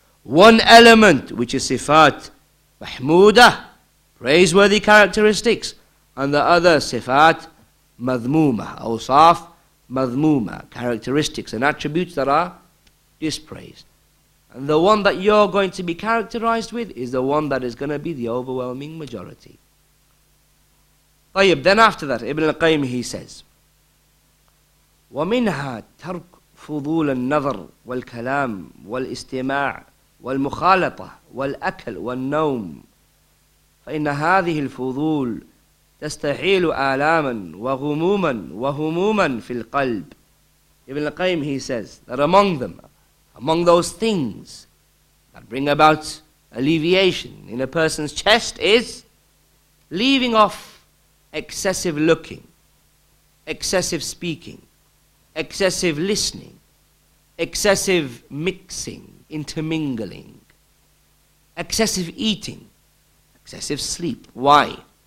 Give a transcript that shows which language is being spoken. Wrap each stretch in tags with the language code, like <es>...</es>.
<en>One element, which is sifat mahmuda, praiseworthy characteristics, and the other sifat madhmuma, awsaf madhmuma, characteristics and attributes that are dispraised. And the one that you're going to be characterized with is the one that is going to be the overwhelming majority.</en> <ar>طيب,</ar> <en>then after that, Ibn al-Qayyim, he says,</en> <ar>وَمِنْهَا تَرْكْ فُضُولَ النَّظَرْ وَالْكَلَامِ وَالْإِسْتِمَاعِ والمخالطة والأكل والنوم فإن هذه الفضول تستحيل آلاما وغموما وهموما في القلب.</ar> <en>Ibn al-Qayyim, he says that among those things that bring about alleviation in a person's chest is leaving off excessive looking, excessive speaking, excessive listening, excessive mixing, intermingling, excessive eating, excessive sleep. Why?</en>